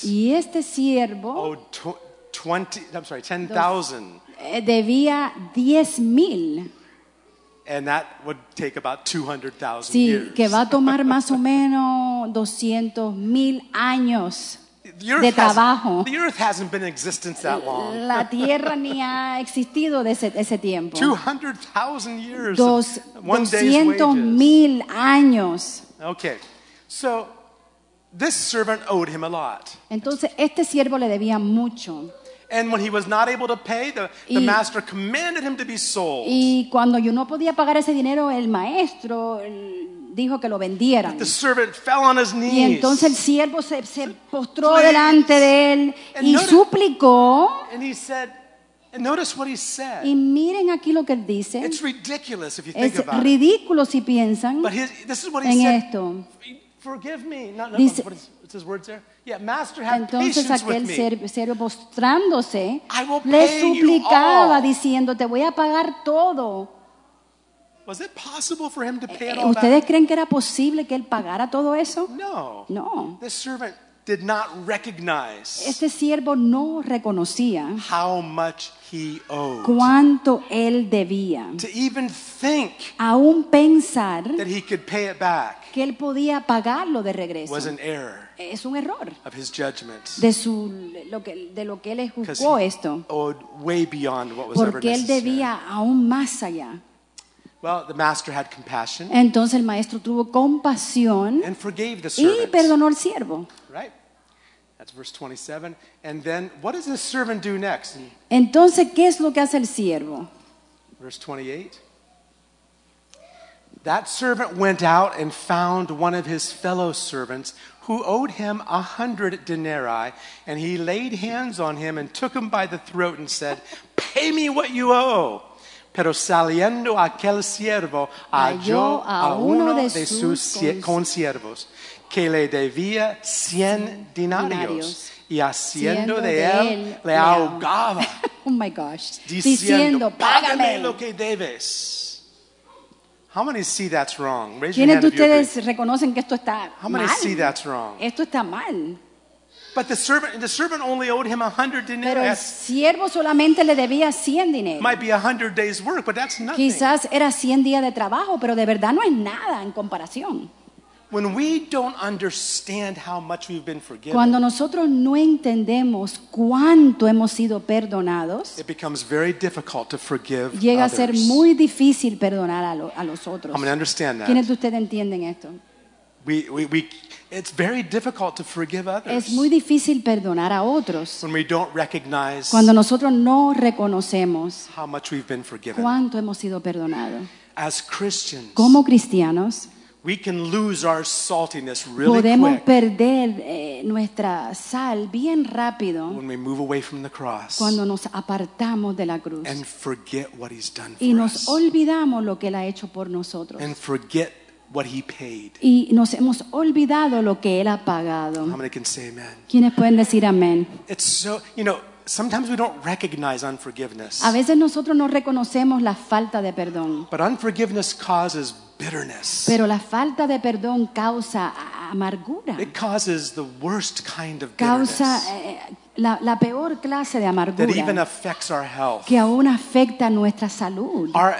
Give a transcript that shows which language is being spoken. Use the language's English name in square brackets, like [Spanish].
[Spanish] Y este siervo. [English] Oh, 10,000. [Spanish] Debía 10,000. [English] And that would take about 200,000 [Spanish] sí, [English] years. [Spanish] Sí, que va a tomar más o menos 200,000 años de trabajo. [English] The earth hasn't been in existence that long. [Spanish] La tierra ni ha existido desde ese tiempo. [English] 200,000 years. [Spanish] 200,000 años. [English] Okay. So This servant owed him a lot. [Spanish] Entonces este siervo le debía mucho. [English] And when he was not able to pay, the master commanded him to be sold. [Spanish] Y cuando yo no podía pagar ese dinero, el maestro dijo que lo vendieran. [English] The servant fell on his knees. [Spanish] Y entonces el siervo se postró delante de él [English] and [Spanish] y suplicó. [English] And he said, and notice what he said. [Spanish] Y miren aquí lo que él dice. [English] It's ridiculous if you [Spanish] es [English] think about [Spanish] ridículo [English] it. [Spanish] Si piensan [English] but his, this is what he [Spanish] en [English] said. [Spanish] Esto. [English] Forgive me. Not, dice, what is, what's his words there? Yeah, master, have [Spanish] entonces aquel siervo postrándose le suplicaba diciendo, te voy a pagar todo. [English] Was it possible for him to pay it all? [Spanish] ¿Ustedes creen que era posible que él pagara todo eso? [English] No. [Spanish] No. [English] This servant did not recognize [Spanish] este siervo no reconocía [English] how much he owed. [Spanish] Cuánto él debía. [English] To even think [Spanish] aún pensar [English] that he could pay it back [Spanish] que él podía pagarlo de regreso [English] was an error [Spanish] es un error [English] of his judgment [Spanish] de lo que él juzgó esto [English] owed way beyond what was [Spanish] porque [English] ever [Spanish] él debía aún más allá. [English] Well, the master had compassion. [Spanish] Entonces el maestro tuvo compasión [English] and forgave the servant. [Spanish] Y perdonó al siervo. [English] Right. That's verse 27. And then what does the servant do next? [Spanish] Entonces, ¿qué es lo que hace el siervo? [English] Verse 28. That servant went out and found one of his fellow servants who owed him 100 denarii, and he laid hands on him and took him by the throat and said, "Pay me what you owe." [Spanish] Pero saliendo aquel siervo halló a uno de sus conciervos que le debía 100 denarios y haciendo de él le ahogaba [English] oh my gosh. [Spanish] Diciendo págame lo que debes. [English] How many see that's wrong? Raise [Spanish] ¿quiénes de ustedes reconocen que esto está mal? [English] How many see that's wrong? [Spanish] Esto está mal. [English] But the servant only owed him 100 denarii. [Spanish] Pero el siervo solamente le debía 100 dinero. [English] Might be 100 days work, but that's nothing. [Spanish] Quizás era 100 días de trabajo, pero de verdad no es nada en comparación. [English] When we don't understand how much we've been forgiven, [Spanish] cuando nosotros no entendemos cuánto hemos sido perdonados, [English] it becomes very difficult to forgive [Spanish] llega [English] others. [Spanish] A ser muy difícil perdonar a los otros. [English] I'm going to understand that. [Spanish] ¿Quiénes de ustedes entienden esto? [English] We it's very difficult to forgive others. [Spanish] Es muy difícil perdonar a otros. [English] When we don't recognize [Spanish] cuando nosotros no reconocemos [English] how much we've been forgiven. [Spanish] Cuánto hemos sido perdonados. [English] As Christians, [Spanish] como cristianos, [English] we can lose our saltiness really quick. [Spanish] Podemos perder nuestra sal bien rápido. [English] When we move away from the cross. [Spanish] Cuando nos apartamos de la cruz. [English] And forget what he's done for us. [Spanish] Y nos [English] us. [Spanish] Olvidamos lo que él ha hecho por nosotros. [English] And forget what he paid. [Spanish] Y nos hemos olvidado lo que él ha pagado. [English] How many can say amen? [Spanish] ¿Quiénes pueden decir amén? [English] It's so, you know, sometimes we don't recognize unforgiveness. [Spanish] A veces nosotros no reconocemos la falta de perdón. [English] But unforgiveness causes bitterness. [Spanish] Pero la falta de perdón causa amargura. [English] It causes the worst kind of bitterness. [Spanish] Causa la peor clase de amargura. [English] That even affects our health. [Spanish] Que aún afecta nuestra salud.